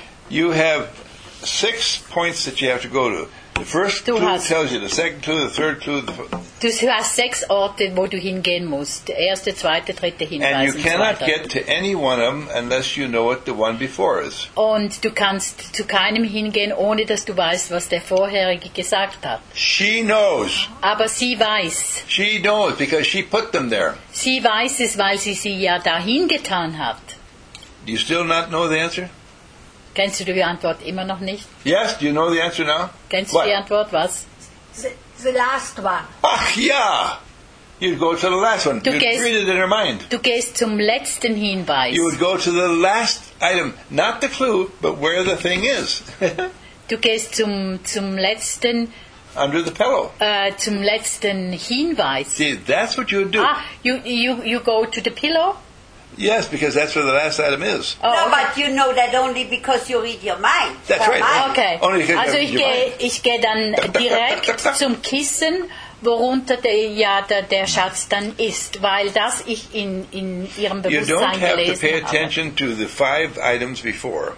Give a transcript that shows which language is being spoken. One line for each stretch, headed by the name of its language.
English: You have 6 points that you have to go to. The first clue tells you, the second clue, the third clue.
German: Du hast 6 Orte, wo du hingehen musst. Erste, zweite, dritte Hinweise.
English: And you cannot get to any one of them unless you know what the one before is.
German: Und du kannst zu keinem hingehen, ohne dass du weißt, was der vorherige gesagt hat.
English: She knows.
German: Aber sie weiß.
English: She knows because she put them there.
German: Sie weiß es, weil sie ja dahin getan hat.
English: Do you still not know the answer?
German: Kennst du die Antwort immer noch nicht?
English: Yes, do you know the answer now?
German: Kennst du die Antwort, was?
English: The last one.
German: Ach ja!
English: You'd go to the last one. You'd read it in her mind.
German: Du gehst zum letzten Hinweis.
English: You would go to the last item. Not the clue, but where the thing is.
German: Du gehst zum letzten...
English: Under the pillow.
German: Zum letzten Hinweis.
English: See, that's what you would do. Ah, you go to the pillow? Yes, because that's where the last item is. Oh, no, okay. But you know that only because you read your mind. That's right. Mind. Okay. Only because
German: also ich gehe dann direkt zum Kissen, worunter der Schatz dann ist, weil das ich in ihrem Bewusstsein gelesen habe.
English: You don't have to pay attention to the five items before.